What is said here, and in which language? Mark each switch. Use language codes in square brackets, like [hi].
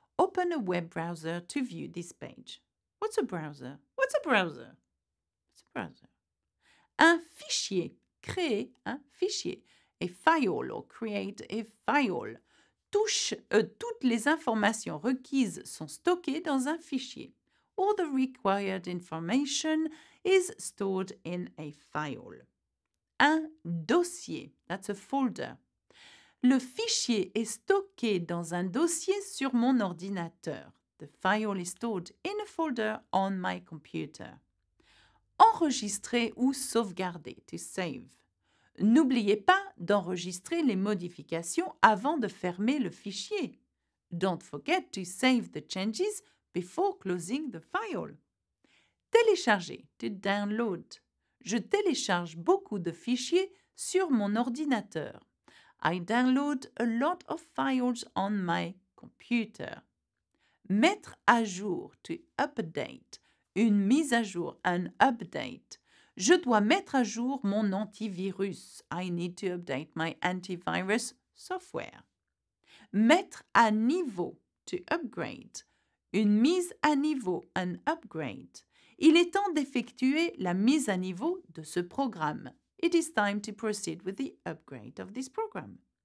[en] Open a web browser to view this page. What's a browser? [fr] Un fichier, créer un fichier. [en] A file or create a file. [fr] Toutes les informations requises sont stockées dans un fichier. [en] All the required information is stored in a file. [fr] Un dossier, [en] that's a folder. [fr] Le fichier est stocké dans un dossier sur mon ordinateur. [en] The file is stored in a folder on my computer. [fr] Enregistrer ou sauvegarder, [en] to save. [fr] N'oubliez pas d'enregistrer les modifications avant de fermer le fichier. [en] Don't forget to save the changes before closing the file. [fr] Télécharger, [en] to download. [fr] Je télécharge beaucoup de fichiers sur mon ordinateur. [en] I download a lot of files on my computer. [fr] Mettre à jour, [en] to update. [fr] Une mise à jour, [en] an update. [fr] Je dois mettre à jour mon antivirus. [en] I need to update my antivirus software. [fr] Mettre à niveau, [en] to upgrade. [fr] Une mise à niveau, [en] an upgrade. [fr] Il est temps d'effectuer la mise à niveau de ce programme. [en] It is time to proceed with the upgrade of this program.